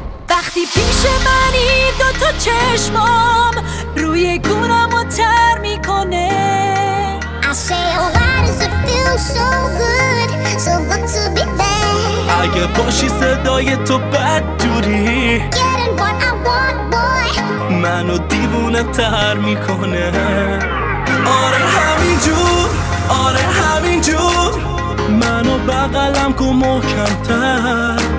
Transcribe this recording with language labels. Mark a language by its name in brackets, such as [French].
[Persian] وقتی پیش منی دو تا چشمام روی گونم رو تر میکنه. [English] I say, oh, why does it feel so good, so good to be there? [Persian] اگه باشی صدای تو بد جوری [English] Getting what I want, boy [Persian] منو دیوونه تر میکنه. آره همینجور، آره همینجور منو بغلم کن محکم تر.